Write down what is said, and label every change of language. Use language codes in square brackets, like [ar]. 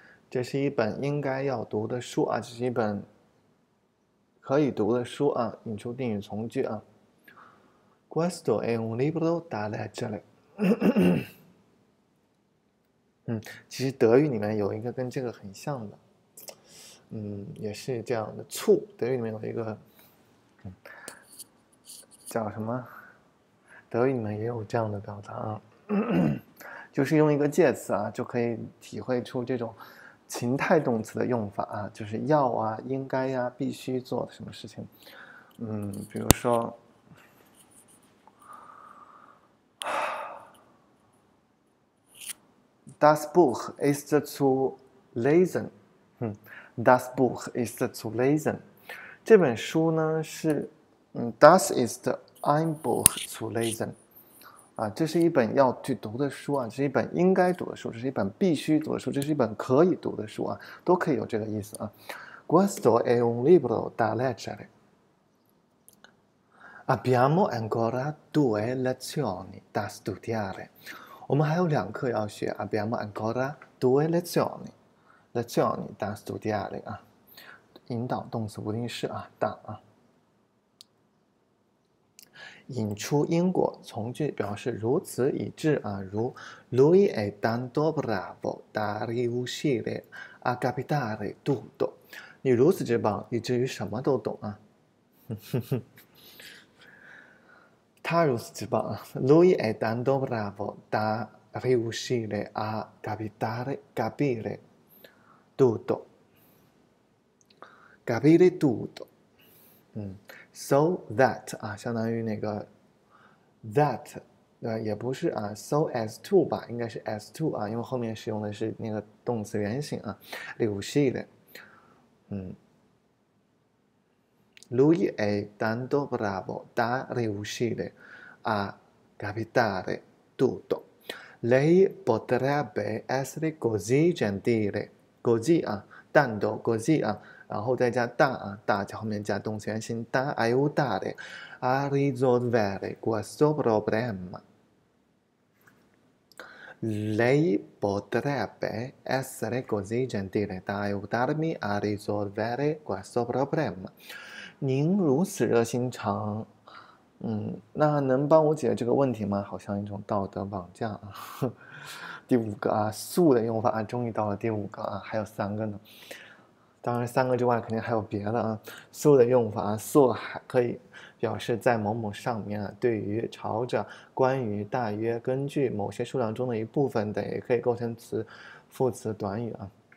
[zh] 这是一本应该要读的书啊，这是一本可以读的书啊。引出定语从句啊， [it] Questo è un libro da leggere。 [zh] 其实德语里面有一个跟这个很像的。也是这样的。醋，德语里面有一个，叫什么？德语里面也有这样的表达啊，就是用一个介词啊，就可以体会出这种情态动词的用法啊，就是要啊、应该呀、必须做的什么事情。比如说， [de] Das Buch ist zu lesen。 Das Buch ist zu lesen。 [zh] 这本书呢是， [de] Das ist ein Buch zu lesen。 [zh] 啊，这是一本要去读的书啊，这是一本应该读的书，这是一本必须读的书，这是一本可以读的书啊，都可以有这个意思啊。 [it] Questo è un libro da leggere。 Abbiamo ancora due lezioni da studiare。 [zh] 我们还有两课要学。 [it] Abbiamo ancora due lezioni。 Lezioni da studiare [zh] 啊，引导动词不定式啊，大啊，引出因果从句表示如此以至啊，如 [it] Lui è tanto bravo da riuscire a capitare tutto， [zh] 你如此之棒，以至于什么都懂啊，他如此之棒啊， [it] Lui è tanto bravo da riuscire a capire。 Tutto. Capire tutto. [zh] So that 啊，相当于那个 that，也不是啊， [en] so as to [zh] 吧，应该是 as to 啊，因为后面使用的是那个动词原形啊。 [it] riuscire Lui è tanto bravo da riuscire a capitare tutto. Lei potrebbe essere così gentile. Così 啊。 [zh] tanto così 啊，然后再加 da 啊，da 在后面加动词原形 [it] da aiutare a risolvere questo problema。 Lei potrebbe essere così gentile da aiutarmi a risolvere questo problema。 [zh] 您如此热心肠，那能帮我解决这个问题吗？好像一种道德绑架啊。第五个啊，so 的用法啊，终于到了第五个啊，还有三个呢。当然，三个之外肯定还有别的啊。so 的用法啊，so 还可以表示在某某上面啊，对于、朝着、关于、大约、根据某些数量中的一部分等，也可以构成词、副词、短语啊。